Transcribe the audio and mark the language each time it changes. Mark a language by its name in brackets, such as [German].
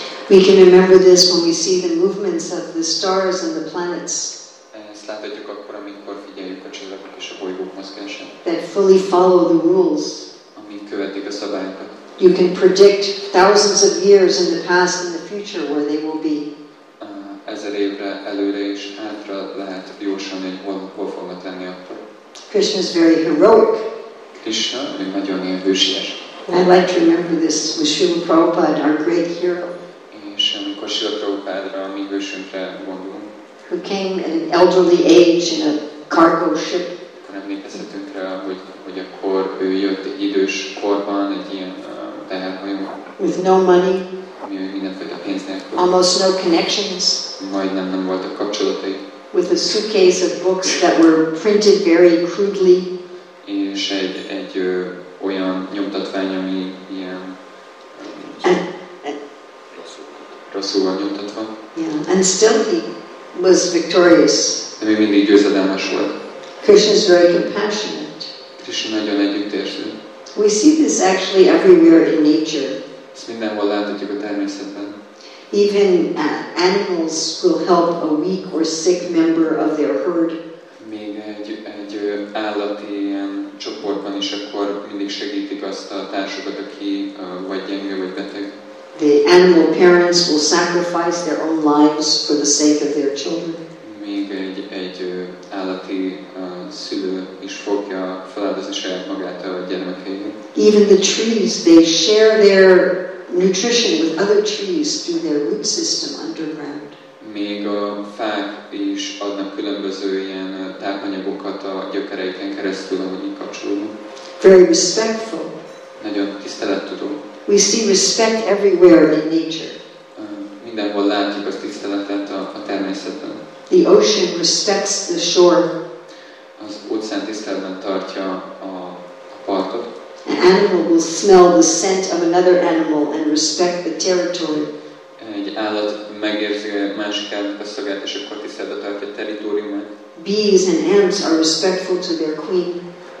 [English] We can remember this when we see the movements of the stars and the planets. [Hungarian] Ezt láthatjuk akkor, amikor figyeljük a csillagok és a bolygók mozgását. [English] That fully follow the rules. [Hungarian] Amik követik a szabályokat. [English] You can predict thousands of years in the past and the future where they will be. [Hungarian] Ezer évre előre és hátra lehet jósolni, hogy hol fognak lenni akkor. [English] Krishna is very heroic. [Hungarian] Krishna, ő nagyon ilyen hősies. [English] I like to remember this with Srila Prabhupada, our great hero. [Hungarian] És amikor Srila Prabhupádra, mi hősünkre gondolunk. [English] Who came at an elderly age in a cargo ship. [Hungarian] Akkor emlékezhetünk rá, hogy akkor ő jött idős korban egy ilyen teherhajóban. [English] With no money. [Hungarian] Mi mindenfajta pénz nélkül. [English] Almost no connections. [Hungarian] Majdnem nem voltak kapcsolatai. [English] With a suitcase of books that were printed very crudely. [Hungarian] És egy olyan nyomtatvány, ami ilyen rosszul van nyomtatva. Yeah. [English] And still he was victorious. [Hungarian] De még mindig győzedelmes volt. [English] Krishna is very compassionate. [Hungarian] Krishna nagyon együttérző. [English] We see this actually everywhere in nature. [Hungarian] Ezt mindenhol láthatjuk a természetben. [English] Even animals will help a weak or sick member of their herd. [Hungarian] Még egy állati ilyen csoportban is akkor mindig segítik azt a társukat, aki vagy gyengő, vagy beteg. [English] The animal parents will sacrifice their own lives for the sake of their children. [Hungarian] Még egy állati szülő is fogja feláldozni saját magát a gyermekeinek. [English] Even the trees, they share their nutrition with other trees through their root system underground. [Hungarian] Még a fák is adnak különböző ilyen tápanyagokat a gyökereiken keresztül, ahogy így kapcsolódunk. [English] Very respectful. [Hungarian] Nagyon tisztelettudó. [English] We see respect everywhere in nature. [Hungarian] Mindenhol látjuk a tiszteletet a természetben. [English] The ocean respects the shore. [Hungarian] Az óceán tiszteletben tartja a partot. [English] An animal will smell the scent of another animal and respect the territory. [Hungarian] Egy állat megérzi a másik állatnak a szagát, és akkor tiszteletbe tartja a territóriumát. [English] Bees and ants are respectful to their queen.